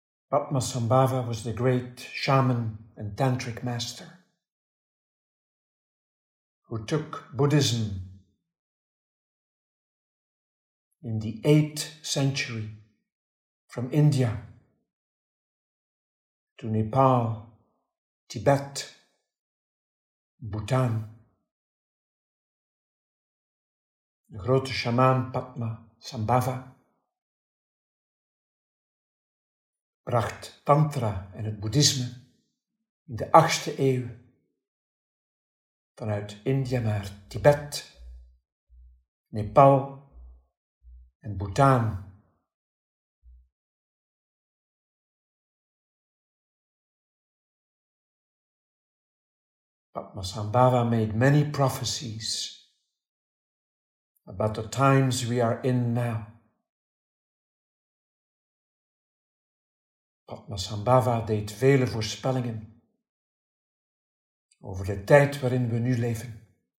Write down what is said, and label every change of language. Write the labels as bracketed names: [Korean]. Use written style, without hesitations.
[English] Padmasambhava was the great shaman and tantric master who took Buddhism in the 8th century from India to Nepal, Tibet, Bhutan. The great shaman [Dutch] Padmasambhava bracht Tantra en het Boeddhisme in de 8e eeuw vanuit India naar Tibet, Nepal en Bhutan. [English] Padmasambhava made many prophecies about the times we are in now. [Dutch] Padmasambhava deed vele voorspellingen over de tijd waarin we nu leven.